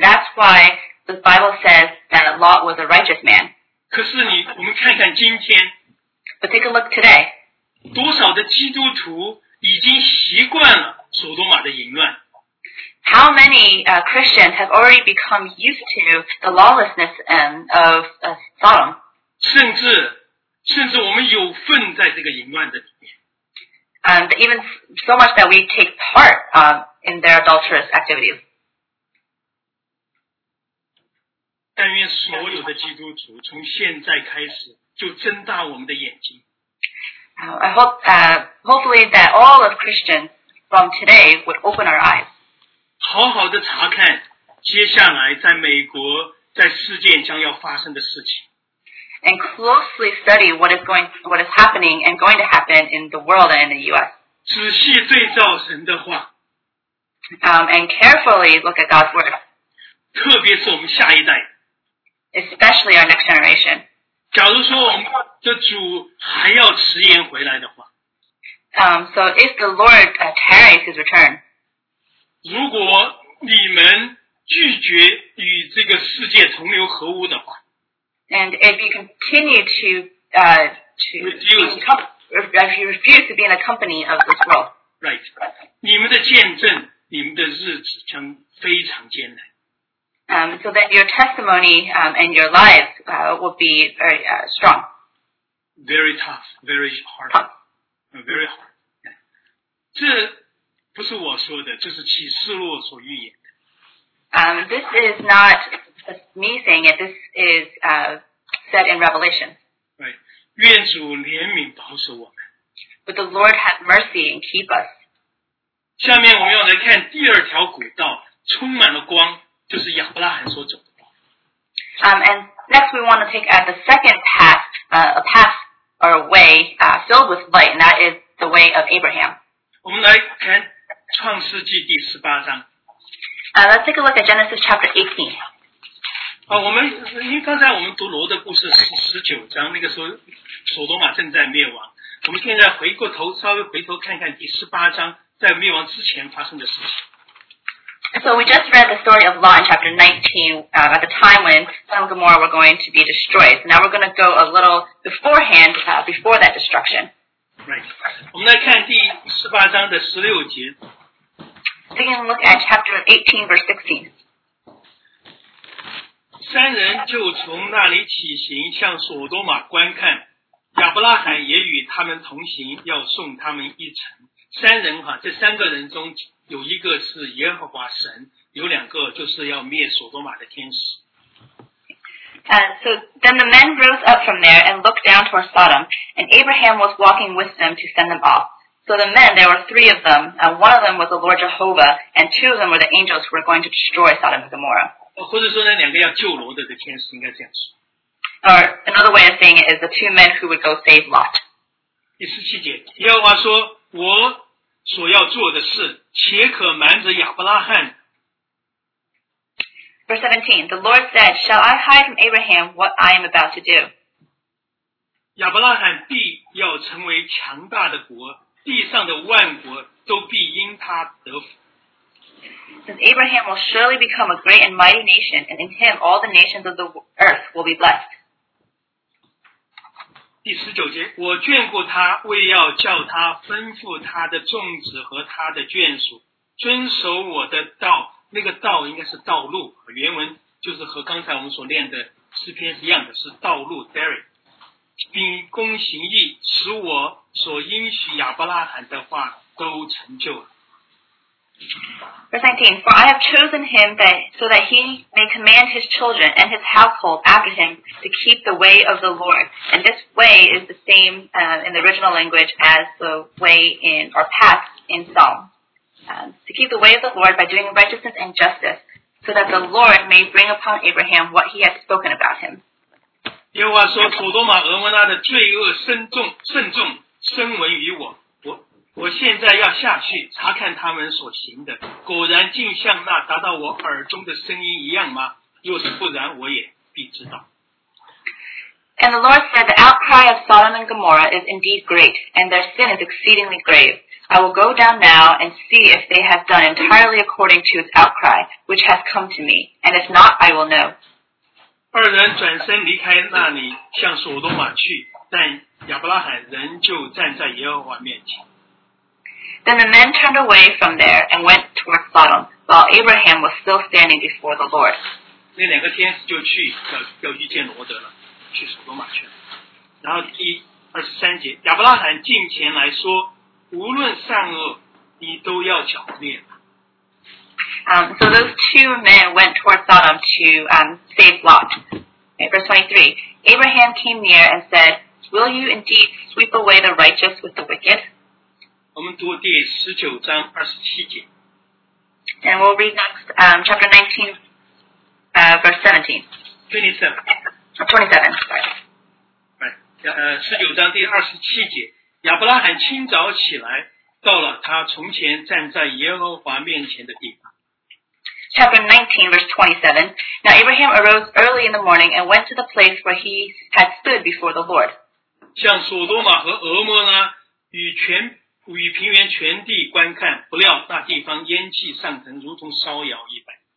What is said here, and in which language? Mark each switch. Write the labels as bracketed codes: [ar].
[en] And that's why the Bible says that Lot was a righteous man. [zh] 可是你，我们看看今天。 [en] But take a look today. [zh] 多少的基督徒已经习惯了所多玛的淫乱。 [en] How many Christians have already become used to the lawlessness of Sodom? [zh] 甚至我们有份在这个淫乱的里面。 [en] Even so much that we take part in their adulterous activities. [zh] 但愿所有的基督徒从现在开始就睁大我们的眼睛。 [en] I hope, hopefully that all of Christians from today would open our eyes. [zh] 好好的查看接下来在美国在世界将要发生的事情。 [en] And closely study what is happening and going to happen in the world and in the US. [zh] 仔细对照神的话。 [en] And carefully look at God's word. [zh] 特别是我们下一代。 [en] Especially our next generation. [zh] 假如说我们的主还要迟延回来的话。 [en] So if the Lord tarries his return, [zh] 如果你们拒绝与这个世界同流合污的话 [en] ，and if you continue if you refuse to be in the company of this world, right? [zh] 你们的见证，你们的日子将非常艰难。 [en] So that your testimony and your lives will be very strong. Very tough, very hard, very hard. [zh] 这。不是我说的，这是启示录所预言的。 [en] This is not me saying it. This is said in Revelation. Right. [zh] 愿主怜悯保守我们。 [en] But the Lord have mercy and keep us. [zh] 下面我们要来看第二条轨道，充满了光，就是亚伯拉罕所走的道。 [en] And next we want to take at the second path, a path or a way filled with light, and that is the way of Abraham. [zh] 我们来看。创世纪第十八章。 [en] Let's take a look at Genesis chapter 18. [zh] 我们因为刚才我们读罗的故事是十九章，那个时候索多玛正在灭亡。我们现在回过头，稍微回头看看第十八章在灭亡之前发生的事情。 [en] So we just read the story of Lot in chapter 19, at the time when Sodom and Gomorrah were going to be destroyed. So now we're going to go a little beforehand, before that destruction. Right. [zh] 我们来看第十八章的十六节。 [en] Take a look at chapter 18, verse 16. [zh] 三人就从那里起行，向索多玛观看。亚伯拉罕也与他们同行，要送他们一程。三人哈，这三个人中有一个是耶和华神，有两个就是要灭索多玛的天使。 [en] So then the men rose up from there and looked down toward Sodom, and Abraham was walking with them to send them off. So the men, there were three of them, and one of them was the Lord Jehovah, and two of them were the angels who were going to destroy Sodom and Gomorrah. [zh] 或者说那两个要救罗德的天使应该这样说。 [en] Or another way of saying it is the two men who would go save Lot. [zh] 第十七节，耶和华说，我所要做的事，且可瞒着亚伯拉罕。 [en] Verse 17, the Lord said, Shall I hide from Abraham what I am about to do? [zh] 亚伯拉罕必要成为强大的国，地上的万国都必因他得福。 [en] Since Abraham will surely become a great and mighty nation, and in him all the nations of the earth will be blessed. [zh] 第十九节，我眷顾他，为要叫他吩咐他的众子和他的眷属，遵守我的道。那个道应该是道路，原文就是和刚才我们所念的诗篇是一样的，是道路 Derry。秉公行义，使我所应许亚伯拉罕的话都成就了。 [en] Verse 19, for I have chosen him that, so that he may command his children and his household after him to keep the way of the Lord. And this way is the same in the original language as the way in, or path in Psalm. To keep the way of the Lord by doing righteousness and justice, so that the Lord may bring upon Abraham what he has spoken about him. [zh] 耶和华说，所多玛、俄摩拉的罪恶甚重，甚闻于我。我现在要下去查看他们所行的，果然竟像那达到我耳中的声音一样吗？若是不然，我也必知道。 [en] And the Lord said, the outcry of Sodom and Gomorrah is indeed great, and their sin is exceedingly grave. I will go down now and see if they have done entirely according to its outcry, which has come to me. And if not, I will know. [zh] 二人转身离开那里，向所多玛去，但亚伯拉罕仍旧站在耶和华面前。 [en] Then the men turned away from there and went toward Sodom, while Abraham was still standing before the Lord. [zh] 那两个天使就去要遇见罗德了，去所多玛去。然后第二十三节，亚伯拉罕近前来说，无论善恶，你都要剿灭。 [en] So those two men went toward Sodom to save Lot. Okay, verse 23, Abraham came near and said, will you indeed sweep away the righteous with the wicked? [zh] 我们读第十九章二十七节。 [en] And we'll read next, chapter 19, verse 17. 27. 27, sorry. [zh] 十九章第二十七节，亚伯拉罕清早起来，到了他从前站在耶和华面前的地方。 [en] Chapter 19, verse 27. Now Abraham arose early in the morning and went to the place where he had stood before the Lord. [zh] 向所多玛和俄摩拉与平原全地观看，不料那地方烟气上腾，如同烧窑一般。